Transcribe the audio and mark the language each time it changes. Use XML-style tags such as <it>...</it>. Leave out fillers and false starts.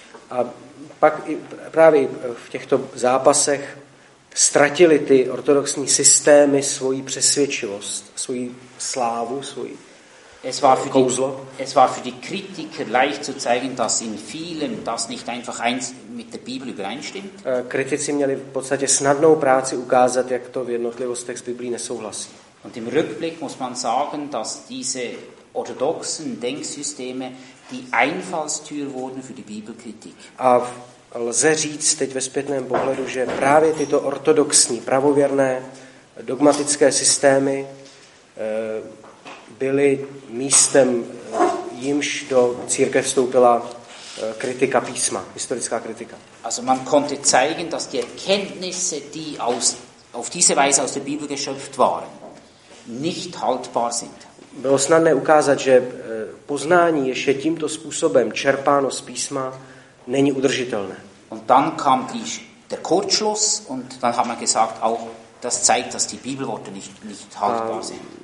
<cs>A pak právě v těchto zápasech ztratili ty ortodoxní systémy svoji přesvědčivost, svoji slávu, svoji kouzlo.</cs> <de>Es war für die Kritiker leicht zu zeigen, dass in vielem das nicht einfach eins mit der Bibel übereinstimmt.</de> <cs>Kritici měli v podstatě snadnou práci ukázat, jak to v jednotlivostech z Biblí nesouhlasí.</cs> <de>Und im Rückblick muss man sagen, dass diese orthodoxen Denksysteme die Einfallstür wurden für die Bibelkritik.</de> <cs>A lze říct teď ve zpětném pohledu, že právě tyto ortodoxní, pravověrné, dogmatické systémy byly místem, jimž do církve vstoupila kritika písma, historická kritika.</cs> <de>Also man konnte zeigen, dass die Erkenntnisse, die aus, auf diese Weise aus der Bibel geschöpft waren, nicht haltbar sind.</de> <cs>Bylo snadné ukázat, že poznání, jež je tímto způsobem čerpáno z písma, není udržitelné.</cs> <de>Und dann kam der Kurzschluss und dann haben wir gesagt, auch das zeigt, dass die Bibelworte nicht haltbar sind.</de>